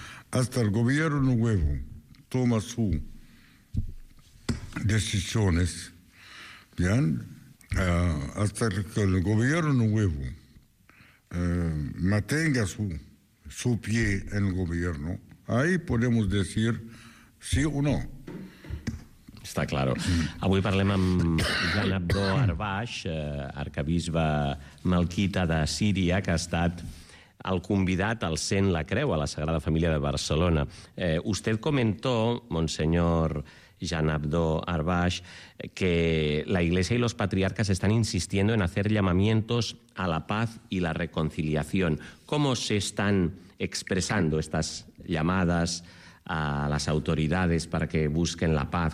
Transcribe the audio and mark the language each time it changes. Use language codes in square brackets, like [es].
[es] Hasta el gobierno nuevo toma sus decisiones, ¿bien? Hasta que el gobierno nuevo mantenga su pie en el gobierno, ahí podemos decir sí o no. [ca] Està clar. Avui parlem amb Jan Abdo Arbash, arcabisbe malquita de Síria, que ha estat el convidat al Cent la Creu, a la Sagrada Família de Barcelona. [es] Usted comentó, monsenyor Jan Abdo Arbash, que la Iglesia y los patriarcas están insistiendo en hacer llamamientos a la paz y la reconciliación. ¿Cómo se están expresando estas llamadas a las autoridades para que busquen la paz?